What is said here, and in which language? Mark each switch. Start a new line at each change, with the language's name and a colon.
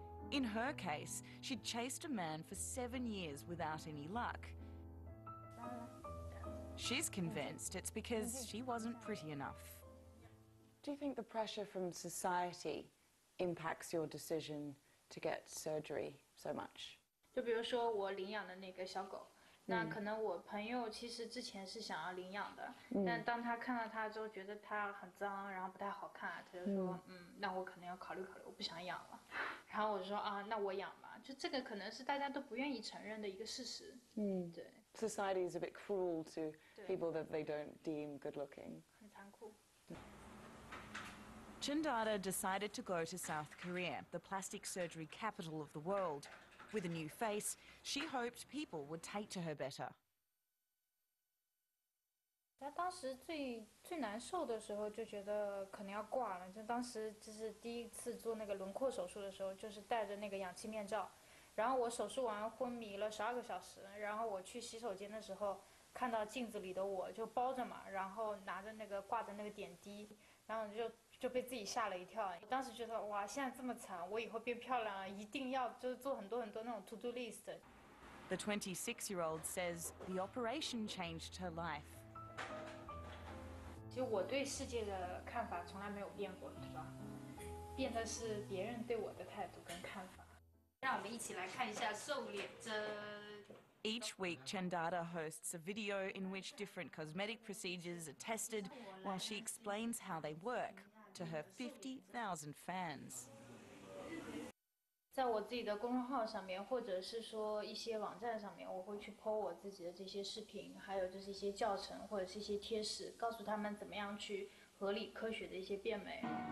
English: In her case, she'd chased a man for 7 years without any luck. She's convinced it's because she wasn't pretty enough. Do you think the pressure from society impacts your decision to get surgery so much?
Chinese: 就比如说我领养的那个小狗，那可能我朋友其实之前是想要领养的，但当他看到他之后觉得他很脏，然后不太好看，他就说那我可能要考虑考虑，我不想养了。然后我说啊，那我养吧。就这个可能是大家都不愿意承认的一个事实。对。
English: Society is a bit cruel to people that they don't deem good looking.
Chinese: 很残酷。
English: Chen Dada decided to go to South Korea, the plastic surgery capital of the world. With a new face, she hoped people would take to her better.
Chinese: 当时最难受的时候就觉得可能要挂了，就当时就是第一次做那个轮廓手术的时候，就是戴着那个氧气面罩，然后我手术完昏迷了12个小时，然后我去洗手间的时候，看到镜子里的我就包着嘛，然后拿着那个挂着那个点滴，然后就被自己吓了一跳。我当时觉得哇，现在这么惨，我以后变漂亮了，一定要就是做很多很多那种
English: to do list。 The 26-year-old says the operation changed her life。
Chinese: 其实我对世界的看法从来没有变过，对吧？变的是别人对我的态度跟看法。让我们一起来看一下瘦脸针。
English: Each week, Chen Dada hosts a video in which different cosmetic procedures are tested while she explains how they work to her 50,000 fans.
Chinese: 在我自己的公众号上面，或者是说一些网站上面，我会去 po 我自己的这些视频，还有就是一些教程或者是一些贴士，告诉他们怎么样去合理科学的一些变美。